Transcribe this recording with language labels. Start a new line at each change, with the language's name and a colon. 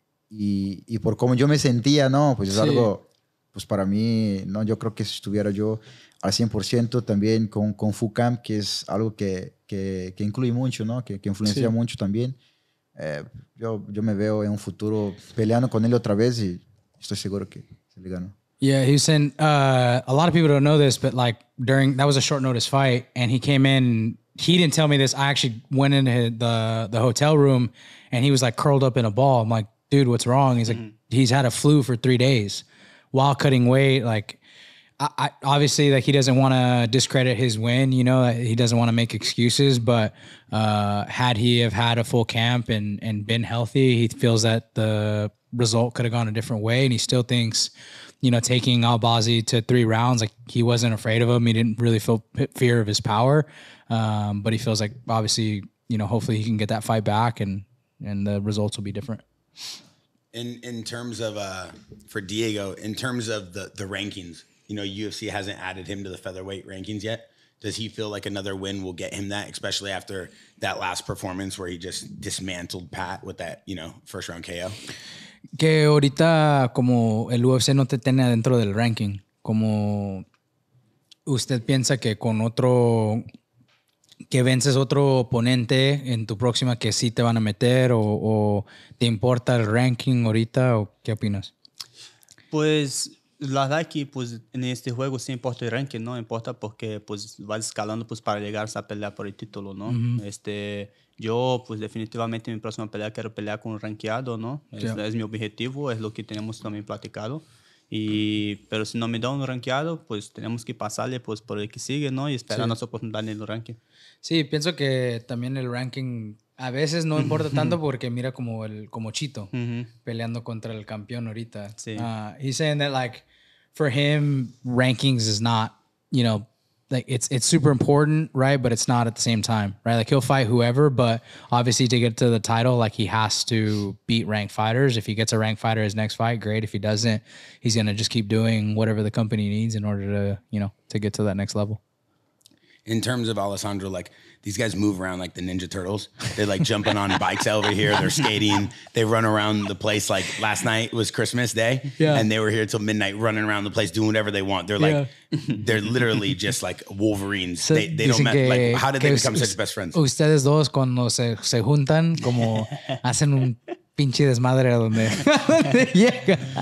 Spanish: y por cómo yo me sentía, ¿no? Pues es sí. algo, pues para mí, ¿no? Yo creo que si estuviera yo al 100% también con Fu Camp, que es algo que incluye mucho, ¿no? Que influencia sí. mucho también. Yo me veo en un futuro peleando con él otra vez y estoy seguro que se le gano.
English: Yeah, he was saying, a lot of people don't know this, but like during, that was a short notice fight and he came in, he didn't tell me this. I actually went into the hotel room and he was like curled up in a ball. I'm like, dude, what's wrong? He's like, he's had a flu for 3 days while cutting weight. Like, I obviously like he doesn't want to discredit his win, you know, he doesn't want to make excuses, but had he have had a full camp and been healthy, he feels that the result could have gone a different way. And he still thinks, you know, taking Al-Bazi to 3 rounds, like he wasn't afraid of him. He didn't really feel fear of his power. But he feels like obviously, you know, hopefully he can get that fight back and the results will be different. In terms of, for Diego, in terms of the rankings, you know, UFC hasn't added him to the featherweight rankings yet. Does he feel like another win will get him that, especially after that last performance where he just dismantled Pat with that, you know, first round KO?
Spanish: Que ahorita como el UFC no te tiene dentro del ranking, como usted piensa que con otro, que vences otro oponente en tu próxima que sí te van a meter o te importa el ranking ahorita o qué opinas? Pues la verdad es que pues en este juego sí importa el ranking, no importa porque pues vas escalando pues para llegar a pelear por el título, ¿no? Mm-hmm. Yo, pues definitivamente mi próxima pelea quiero pelear con un rankeado, ¿no? Yeah. Es mi objetivo, es lo que tenemos también platicado. Y, pero si no me da un rankeado, pues tenemos que pasarle pues, por el que sigue, ¿no? Y esperar sí. nuestra oportunidad en el ranking. Sí, pienso que también el ranking a veces no importa tanto porque mira como el como Chito peleando contra el campeón ahorita. Sí.
English: He's saying that like, for him, rankings is not, you know, like it's super important, right? But it's not at the same time, right? Like he'll fight whoever, but obviously to get to the title, like he has to beat ranked fighters. If he gets a ranked fighter his next fight, great. If he doesn't, he's gonna just keep doing whatever the company needs in order to, you know, to get to that next level. In terms of Alessandro, like these guys move around like the Ninja Turtles. They're like jumping on bikes over here. They're skating. They run around the place. Like last night was Christmas Day. Yeah. And they were here till midnight running around the place, doing whatever they want. They're like, yeah. They're literally just like Wolverines. So they don't matter. Like, how did they become such best friends?
Spanish: Ustedes dos cuando se juntan, como hacen un pinche desmadre a donde llega.